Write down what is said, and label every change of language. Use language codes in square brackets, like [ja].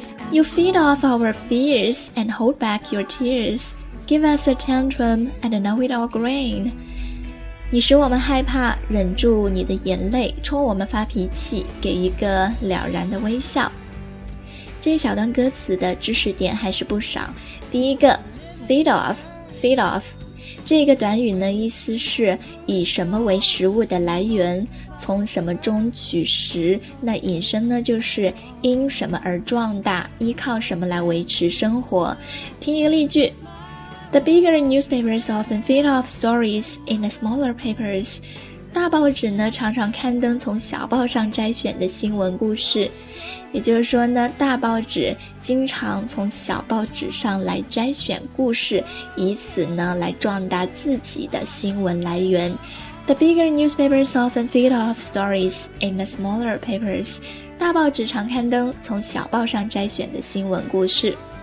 [en] You feed off our fears and hold back your tears. Give us a tantrum and know it all green. [zh] 你使我们害怕，忍住你的眼泪，冲我们发脾气，给一个了然的微笑。这一小段歌词的知识点还是不少。第一个 feed off 这个短语呢，意思是以什么为食物的来源，从什么中取食，那引申呢就是因什么而壮大，依靠什么来维持生活。听一个例句， [en] The bigger newspapers often feed off stories in the smaller papers. [zh] 大报纸呢常常刊登从小报上摘选的新闻故事。也就是说呢，大报纸经常从小报纸上来摘选故事，以此呢来壮大自己的新闻来源。 [en] The bigger newspapers often feed off stories in the smaller papers. [zh] 大报纸常刊登从小报上摘选的新闻故事。